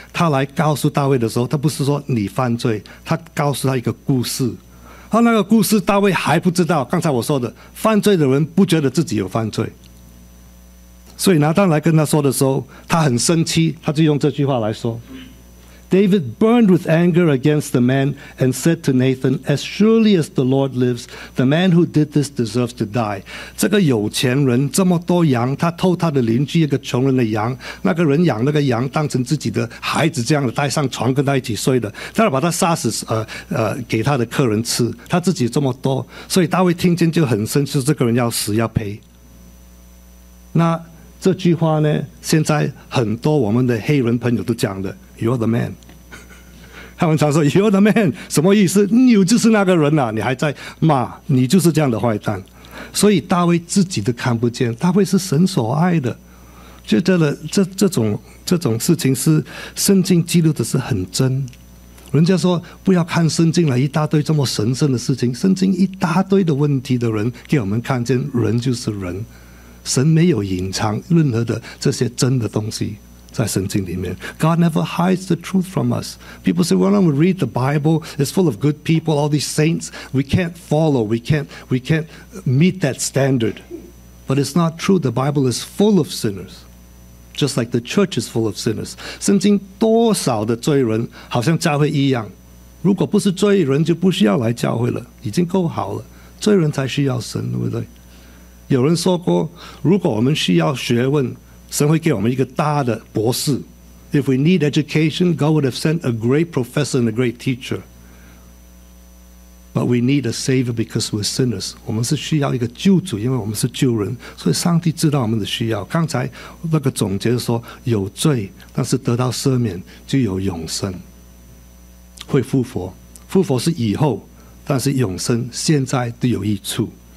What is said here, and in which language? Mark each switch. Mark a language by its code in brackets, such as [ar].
[zh] 他来告诉大卫的时候，他不是说你犯罪，他告诉他一个故事。他那个故事大卫还不知道。刚才我说的，犯罪的人不觉得自己有犯罪，所以拿单来跟他说的时候，他很生气，他就用这句话来说。 [en] David burned with anger against the man and said to Nathan, As surely as the Lord lives, the man who did this deserves to die. [zh] 这个有钱人这么多羊，他偷他的邻居一个穷人的羊，那个人养那个羊当成自己的孩子这样的，带上床跟他一起睡的，他把他杀死给他的客人吃，他自己这么多，所以大卫听见就很生气，这个人要死要赔。那这句话呢，现在很多我们的黑人朋友都讲的。 [en] You're the man. [zh] 他们常说 [en] You're the man. [zh] 什么意思？你就是那个人啊，你还在骂，你就是这样的坏蛋。所以大卫自己都看不见，大卫是神所爱的，觉得了 这种事情是圣经记录的是很真。人家说不要看圣经了，一大堆这么神圣的事情，圣经一大堆的问题的人给我们看见，人就是人，神没有隐藏任何的这些真的东西。在圣经里面 [en] God never hides the truth from us. People say, well, when we read the Bible, it's full of good people, all these saints. We can't follow. We can't meet that standard. But it's not true. The Bible is full of sinners. Just like the church is full of sinners. [zh] 圣经多少的罪人好像教会一样，如果不是罪人就不需要来教会了，已经够好了。罪人才需要神，对不对？有人说过，如果我们需要学问，神会给我们一个大的博士。 [en] If we need education, God would have sent a great professor and a great teacher. But we need a savior because we're sinners. [zh] 我们是需要一个救主，因为我们是救人，所以上帝知道我们的需要。刚才那个总结说，有罪但是得到赦免就有永生，会复活。复活是以后，但是永生现在都有益处。